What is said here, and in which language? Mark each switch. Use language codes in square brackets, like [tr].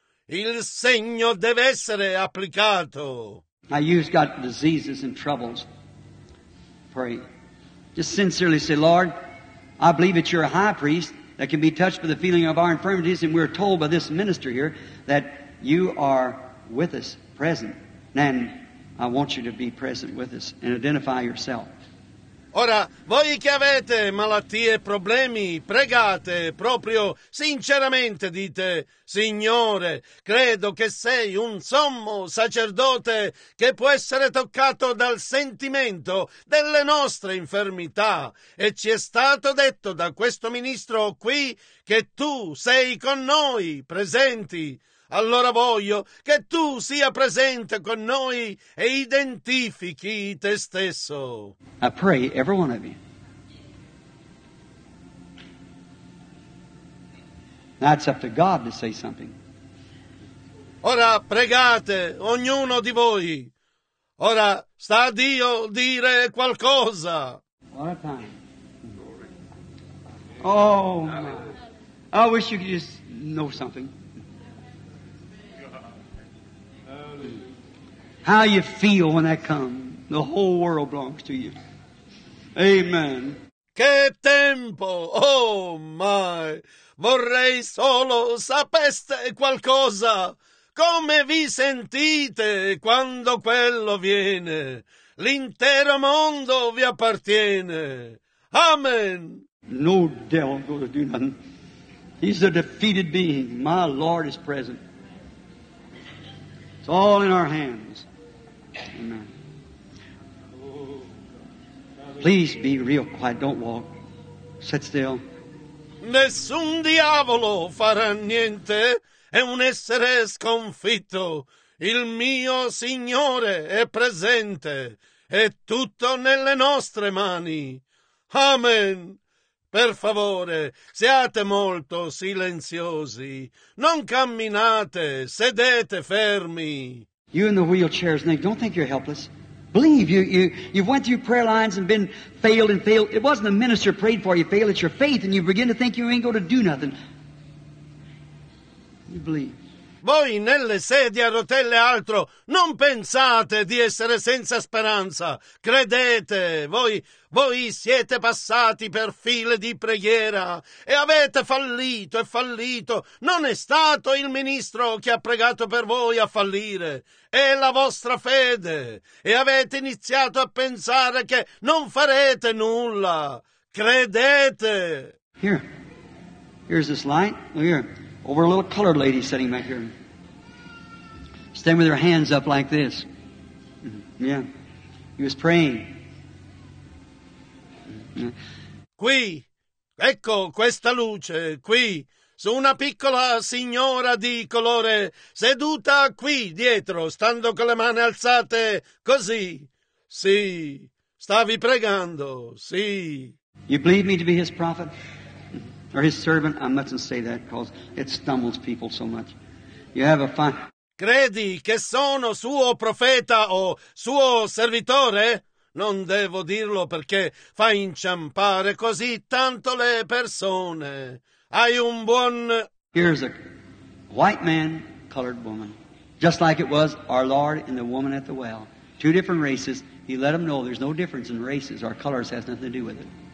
[it] Il segno deve essere applicato. [en] Now you've got diseases and troubles. Pray. Just sincerely say, Lord, I believe that you're a high priest that can be touched by the feeling of our infirmities, and we're told by this minister here that you are with us, present. And I want you to be present with us and identify yourself. [it] Ora, voi che avete malattie e problemi, pregate proprio sinceramente, dite, Signore, credo che sei un sommo sacerdote che può essere toccato dal sentimento delle nostre infermità. E ci è stato detto da questo ministro qui che tu sei con noi, presenti. Allora voglio che tu sia presente con noi e identifichi te stesso. [en] I pray, every one of you. Now it's up to God to say something. [it] Ora pregate, ognuno di voi. Ora sta a Dio dire qualcosa. [en] What a time. Oh, my. I wish you could just know something. How you feel when that comes. The whole world belongs to you. Amen. [it] Che tempo! [en] Oh, my! [it] Vorrei solo sapeste qualcosa. Come vi sentite quando quello viene? L'intero mondo vi appartiene. Amen! [en] No devil going to do nothing. He's a defeated being. My Lord is present. It's all in our hands. Amen. Please be real quiet. Don't walk. Sit still. [it] Nessun diavolo farà niente. È un essere sconfitto. Il mio Signore è presente. È tutto nelle nostre mani. Amen. Per favore, siate molto silenziosi. Non camminate. Sedete fermi. [en] You in the wheelchairs, Nick, don't think you're helpless. Believe. You've went through prayer lines and been failed. It wasn't the minister prayed for you failed. It's your faith, and you begin to think you ain't going to do nothing. You believe. [it] Voi nelle sedie a rotelle altro, non pensate di essere senza speranza. Credete. Voi siete passati per file di preghiera e avete fallito e fallito. Non è stato il ministro che ha pregato per voi a fallire. È la vostra fede e avete iniziato a pensare che non farete nulla. Credete. [en] Here. Here's this light. Look here. Over a little colored lady sitting back here. Standing with her hands up like this. Yeah. He was praying. [it] Qui, ecco questa luce, qui, su una piccola signora di colore, seduta qui dietro, stando con le mani alzate, così, sì, stavi pregando, sì. [en] You believe me to be his prophet? Or his servant? I mustn't say that, because it stumbles people so much. You have a fine... [it] Credi che sono suo profeta o suo servitore? Non devo dirlo perché fa inciampare così tanto le persone. Hai un buon... [en] Here's a white man, colored woman. Just like it was our Lord and the woman at the well. Two different races. He let them know there's no difference in races. Our colors has nothing to do with it.